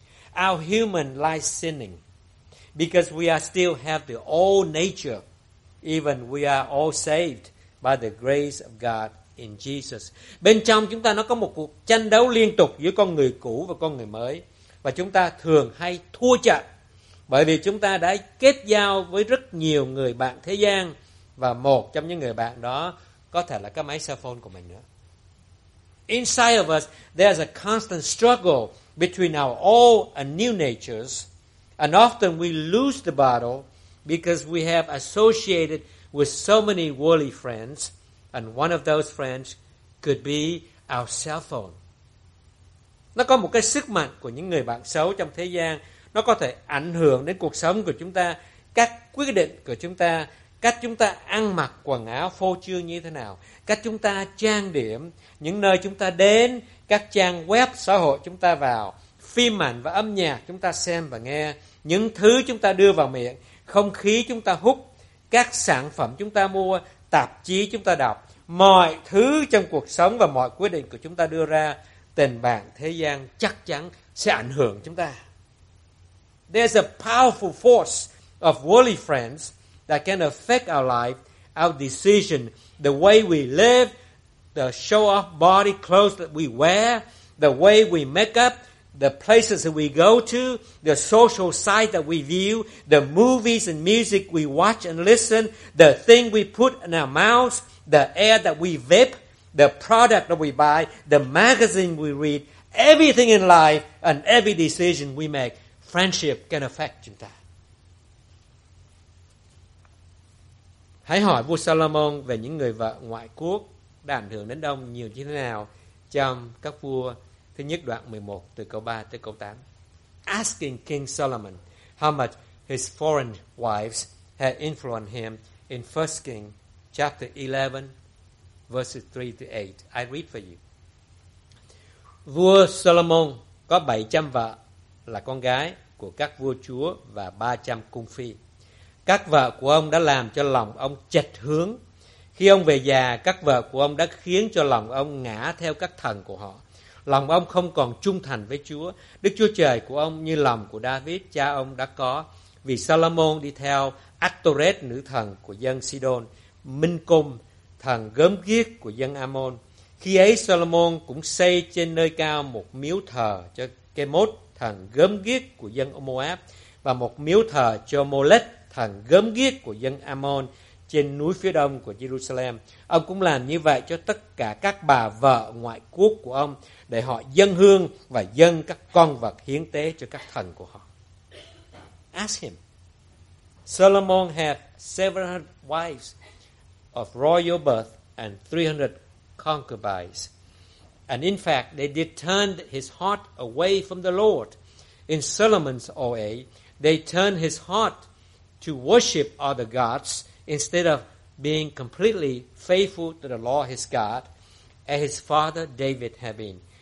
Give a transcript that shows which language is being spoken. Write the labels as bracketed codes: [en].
[en] Our human likes sinning because we are still have the old nature. Even we are all saved by the grace of God in Jesus. [vi] Bên trong chúng ta nó có một cuộc tranh đấu liên tục giữa con người cũ và con người mới, và chúng ta thường hay thua trận bởi vì chúng ta đã kết giao với rất nhiều người bạn thế gian, và một trong những người bạn đó có thể là cái máy cell phone của mình nữa. [en] Inside of us, there's a constant struggle between our old and new natures, and often we lose the battle because we have associated with so many worldly friends, and one of those friends could be our cell phone. [vi] Nó có một cái sức mạnh của những người bạn xấu trong thế gian, nó có thể ảnh hưởng đến cuộc sống của chúng ta, các quyết định của chúng ta, cách chúng ta ăn mặc quần áo phô trương như thế nào, cách chúng ta trang điểm, những nơi chúng ta đến, các trang web xã hội chúng ta vào, phim ảnh và âm nhạc chúng ta xem và nghe, những thứ chúng ta đưa vào miệng, không khí chúng ta hút, các sản phẩm chúng ta mua, tạp chí chúng ta đọc, mọi thứ trong cuộc sống và mọi quyết định của chúng ta đưa ra, tình bạn thế gian chắc chắn sẽ ảnh hưởng chúng ta. [en] There's a powerful force of worldly friends that can affect our life, our decision, the way we live, the show off body clothes that we wear, the way we make up, the places that we go to, the social sites that we view, the movies and music we watch and listen, the thing we put in our mouths, the air that we vape, the product that we buy, the magazine we read, everything in life and every decision we make. Friendship can affect [vi] chúng ta. Hãy hỏi vua Solomon về những người vợ ngoại quốc đã ảnh hưởng đến ông nhiều như thế nào trong các vua thứ nhất đoạn 11 từ câu 3 tới câu 8. [en] Asking King Solomon how much his foreign wives had influenced him in 1 Kings chapter 11 verses 3-8. I read for you. [vi] Vua Solomon có 700 vợ là con gái của các vua chúa và 300 cung phi. Các vợ của ông đã làm cho lòng ông chệch hướng. Khi ông về già, các vợ của ông đã khiến cho lòng ông ngã theo các thần của họ. Lòng ông không còn trung thành với Chúa, Đức Chúa Trời của ông như lòng của David, cha ông đã có. Vì Solomon đi theo Astoreth, nữ thần của dân Sidon, Minh Cung, thần gớm ghiếc của dân Amon. Khi ấy Solomon cũng xây trên nơi cao một miếu thờ cho Kemot, thần gớm ghiếc của dân Moab, và một miếu thờ cho Molech, thần gớm ghiếc của dân Amon, trên núi phía đông của Jerusalem. Ông cũng làm như vậy cho tất cả các bà vợ ngoại quốc của ông, để họ dâng hương và dâng các con vật hiến tế cho các thần của họ. [en] Ask him. Solomon had 700 wives of royal birth and 300 concubines. And in fact, they did turn his heart away from the Lord. In Solomon's old age, they turned his heart to worship other gods instead of being completely faithful to the Lord his God, as his father David had been.